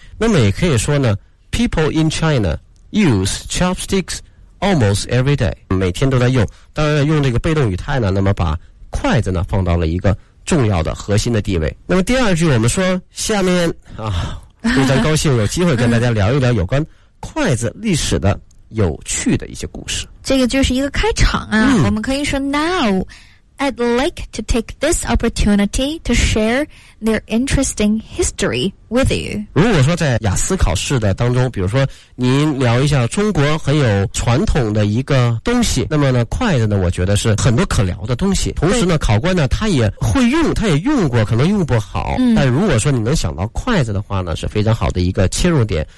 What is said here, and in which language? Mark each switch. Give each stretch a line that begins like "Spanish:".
Chinese: 那么也可以说呢
English: ，people in China use chopsticks almost every day。
Chinese: 每天都在用，当然用这个被动语态呢，那么把筷子呢放到了一个重要的核心的地位。那么第二句我们说下面啊，非常高兴有机会跟大家聊一聊有关筷子历史的有趣的一些故事。这个就是一个开场啊、我们可以说
English: Now I'd like to take this opportunity to share their interesting history with you。
Chinese: 如果说在雅思考试的当中，比如说您聊一下中国很有传统的一个东西，那么呢筷子呢我觉得是很多可聊的东西，同时呢考官呢他也会用，他也用过，可能用不好、但如果说你能想到筷子的话呢是非常好的一个切入点。